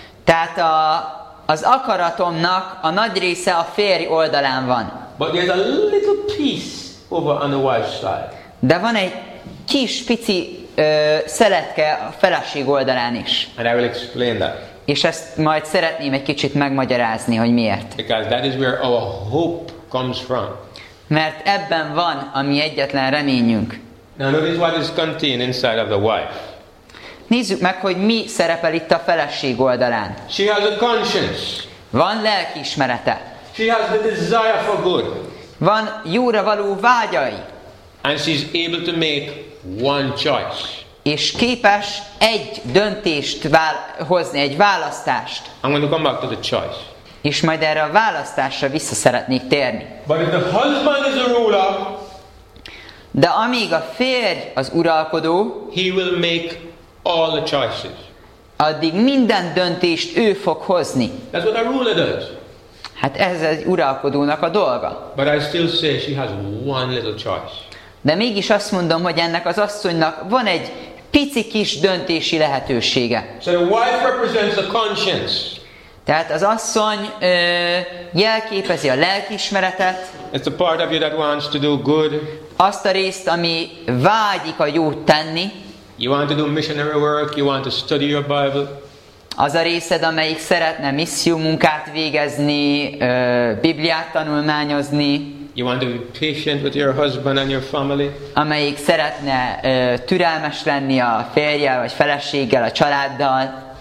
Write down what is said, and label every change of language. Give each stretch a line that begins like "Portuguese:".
Hungarian: Tehát az akaratomnak a nagy része a férj oldalán van.
English: But there's a little piece over on the wife's side.
Hungarian: De van egy kis pici szeletke a feleség oldalán is.
English: And I will explain that.
Hungarian: És ezt majd szeretném egy kicsit megmagyarázni, hogy miért.
English: Because that is where our hope comes from.
Hungarian: Mert ebben van a mi egyetlen reményünk.
English: Now notice what is contained inside of the wife.
Hungarian: Nézzük meg, hogy mi szerepel itt a feleség oldalán.
English: She has a conscience.
Hungarian: Van lelkiismerete.
English: She has the desire for good.
Hungarian: Van jóra való vágyai.
English: And she's able to make one choice.
Hungarian: És képes egy döntést hozni, egy választást.
English: I'm going to come back to the choice.
Hungarian: És majd erre a választásra vissza szeretnék térni.
English: But if the husband is a ruler,
Hungarian: de amíg a férj az uralkodó,
English: he will make all the choices.
Hungarian: Addig minden döntést ő fog hozni.
English: That's what a ruler does.
Hungarian: Hát ez egy uralkodónak a dolga.
English: But I still say she has one little choice.
Hungarian: De mégis azt mondom, hogy ennek az asszonynak van egy pici kis döntési lehetősége.
English: So the wife represents the conscience.
Hungarian: Tehát az asszony jelképezi a lelkiismeretet.
English: It's a part of you that wants to do good.
Hungarian: Azt a részt, ami vágyik a jót tenni.
English: You want to do missionary work, you want to study your Bible.
Hungarian: Az a részed, amelyik szeretne misszió munkát végezni, Bibliát tanulmányozni.
English: You want to be patient with your husband and your family.
Hungarian: Amelyik szeretne türelmes lenni a férjel vagy feleséggel, a családdal.